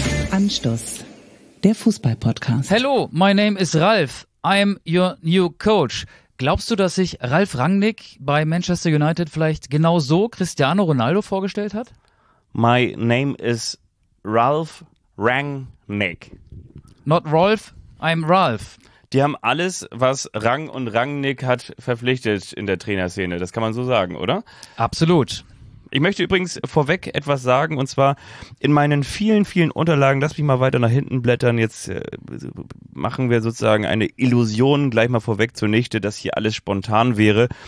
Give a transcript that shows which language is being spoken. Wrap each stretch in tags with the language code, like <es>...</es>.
<de>Anstoß, der Fußball-Podcast.</de> <en>Hello, my name is Ralf. I'm your new coach.</en> <de>Glaubst du, dass sich Ralf Rangnick bei Manchester United vielleicht genau so Cristiano Ronaldo vorgestellt hat?</de> <en>My name is Ralf Rangnick. Not Rolf, I'm Ralf.</en> <de>Die haben alles, was Rang und Rangnick hat, verpflichtet in der Trainerszene. Das kann man so sagen, oder? Absolut. Ich möchte übrigens vorweg etwas sagen, und zwar in meinen vielen, vielen Unterlagen, lass mich mal weiter nach hinten blättern, jetzt machen wir sozusagen eine Illusion gleich mal vorweg zunichte, dass hier alles spontan wäre.</de>